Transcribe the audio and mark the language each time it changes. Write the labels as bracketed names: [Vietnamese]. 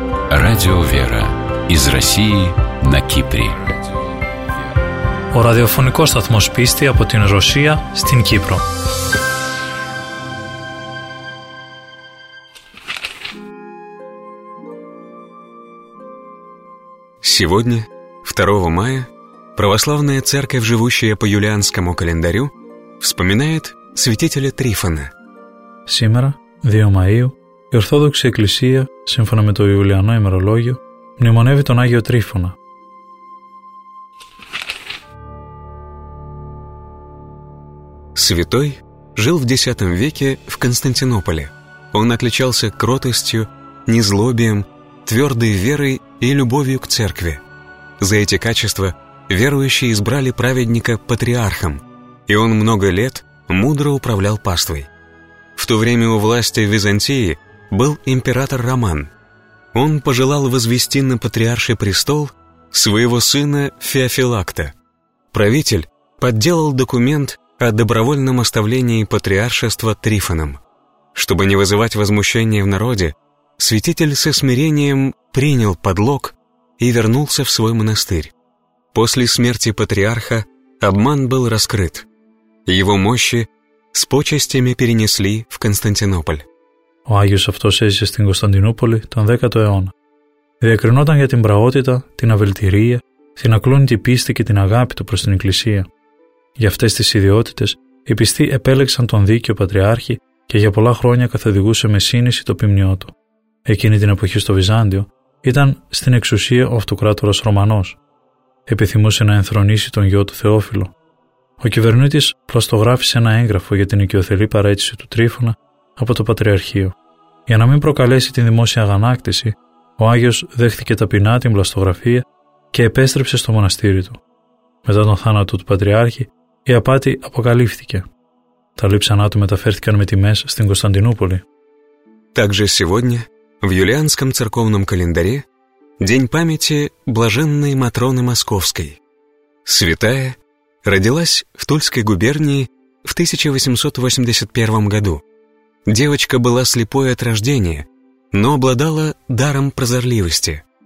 [Russian] Радио «Вера» из России на Кипре. [Greek] Ο ραδιοφωνικός σταθμός πίστη από την Ρωσία στην Κύπρο. [Russian] Сегодня, 2 мая, православная церковь, живущая по юлианскому календарю, вспоминает святителя Трифона. Сегодня, 2 мая, [Greek] η Ορθόδοξη Εκκλησία, σύμφωνα με το Ιουλιανό ημερολόγιο, μνημονεύει τον Άγιο Τρίφωνα. [Russian] Святой жил в X веке в Константинополе. Он отличался кротостью, незлобием, твердой верой и любовью к церкви. За эти качества верующие избрали праведника патриархом, и он много лет мудро управлял паствой. В то время у власти в Византии был император Роман. Он пожелал возвести на патриарший престол своего сына Феофилакта. Правитель подделал документ о добровольном оставлении патриаршества Трифоном. Чтобы не вызывать возмущения в народе, святитель со смирением принял подлог и вернулся в свой монастырь. После смерти патриарха обман был раскрыт. Его мощи с почестями перенесли в Константинополь. [Greek] Ο Άγιος αυτός έζησε στην Κωνσταντινούπολη τον 10ο αιώνα. Διακρινόταν για την πραότητα, την αβελτηρία, την ακλόνητη πίστη και την αγάπη του προς την Εκκλησία. Για αυτές τις ιδιότητες, οι πιστοί επέλεξαν τον δίκαιο Πατριάρχη και για πολλά χρόνια καθοδηγούσε με σύνεση το ποιμνιό του. Εκείνη την εποχή στο Βυζάντιο ήταν στην εξουσία ο αυτοκράτορας Ρωμανός. Επιθυμούσε να ενθρονήσει τον γιο του Θεόφιλο. Ο κυβερνήτης πλαστογράφησε ένα έγγραφο για την οικειοθελή παραίτηση του Τρίφωνα από το Πατριαρχείο. Για να μην προκαλέσει την δημόσια αγανάκτηση, ο Άγιος δέχθηκε ταπεινά την βλαστογραφία και επέστρεψε στο μοναστήρι του. Μετά τον θάνατο του Πατριάρχη, η απάτη αποκαλύφθηκε. Τα λείψανά του μεταφέρθηκαν με τιμές στην Κωνσταντινούπολη. [Russian] Также сегодня в юлианском церковном календаре день памяти блаженной Матроны Московской. Святая родилась в Тульской губернии в 1881 году. Девочка была слепой от рождения, но обладала даром прозорливости.